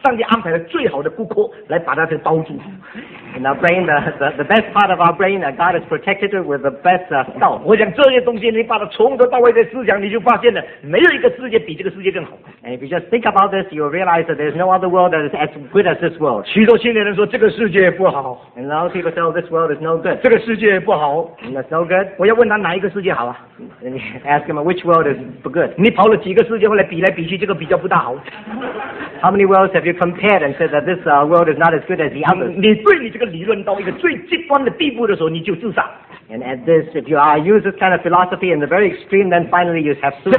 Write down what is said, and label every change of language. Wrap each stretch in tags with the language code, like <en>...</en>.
<zh>我们头脑最坚固的地方就是头脑最需要的地方，上帝安排了最好的骨壳来把它给包住.</zh> <en>In our brain, the best part of our brain, God has protected it with the best skull.</en> <zh>我想这些东西你把它从头到尾的思想，你就发现了没有一个世界比这个世界更好.</zh> <en>And if you just think about this, you'll realize that there's no other world that is as good as this world.</en> <zh>许多青年人说这个世界不好.</zh> <en>And a lot of people tell this world is no good.</en> <zh>这个世界不好.</zh> <en>And it's no good.</en> <zh>我要问他哪一个世界好啊?</zh> <en>And you ask him which world is good.</en> <zh>你跑了几个世界后来比来比去，这个比较不大好.</zh> <en>How many worlds have you compared and said that this world is not as good as the others?</en> <zh>你对你这个理论到一个最极端的地步的时候，你就自杀。</zh> <en>And at this, if you are use this kind of philosophy in the very extreme, then finally you have suicide.</en>